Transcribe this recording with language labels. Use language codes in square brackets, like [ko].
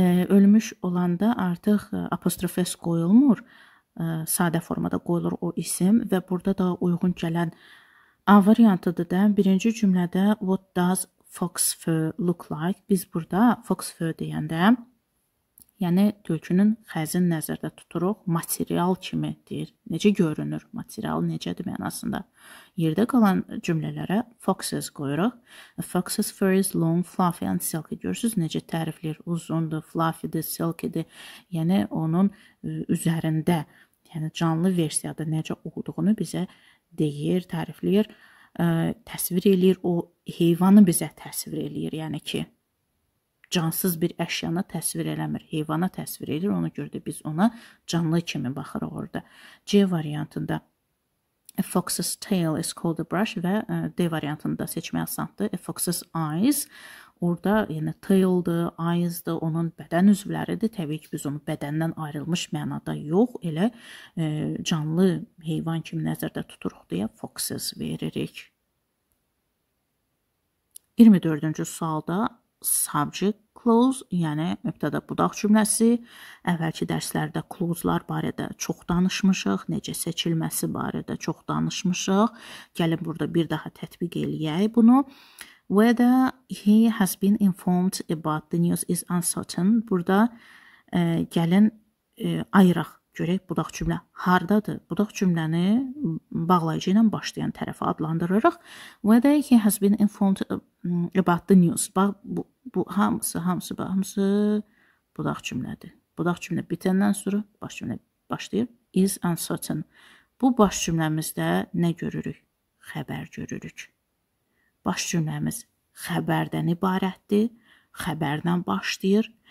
[az] Ölmüş olanda artıq apostrof S qoyulmur, sadə formada qoyulur o isim və burada da uyğun gələn A variantıdır da, birinci cümlədə [en] what does fox fur look like? [az] Biz burada fox fur deyəndə, yəni tülkünün xəzin nəzərdə tuturuq, material kimi deyir, necə görünür, material necədir mənasında. Yerdə qalan cümlələrə foxes qoyuruq. [en] A fox's fur is long, fluffy and silky. [az] Görürsünüz, necə təriflir, uzundur, fluffy-dir, silky-dir. Yəni onun üzərində, yəni canlı versiyada necə olduğunu bizə deyir, təriflir, təsvir eləyir, o heyvanı bizə təsvir eləyir, yəni ki, cansız bir əşyana təsvir eləmir, heyvana təsvir eləyir, ona görə də biz ona canlı kimi baxırıq orada. C variantında [en] a fox's tail is called a brush [az] və D variantında seçmək asandır, [en] a fox's eyes, [az] Orada yəni tail-dır, eyes-dır, onun bədən üzvləridir. Təbii ki, biz onu bədəndən ayrılmış mənada yox, elə canlı heyvan kimi nəzərdə tuturuq deyə foxes veririk. 24-cü sualda subject clause, yəni mübtədə budaq cümləsi. Əvvəlki dərslərdə clause-lar barədə çox danışmışıq, necə seçilməsi barədə çox danışmışıq. Gəlin burada bir daha tətbiq eləyək bunu. [en] Whether he has been informed about the news is uncertain. [az] Burada gəlin ayıraq görək budaq cümlə hardadır. Budaq cümləni bağlayıcı ilə başlayan tərəfi adlandırırıq. [en] Whether he has been informed about the news. [az] Bax, bu hamısı budaq cümlədir. Budaq cümlə bitəndən sonra baş cümlə başlayır. [en] Is uncertain. [az] Bu baş cümləmizdə nə görürük? Xəbər görürük. Baş cümləmiz xəbərdən ibarətdir, xəbərdən başlayır.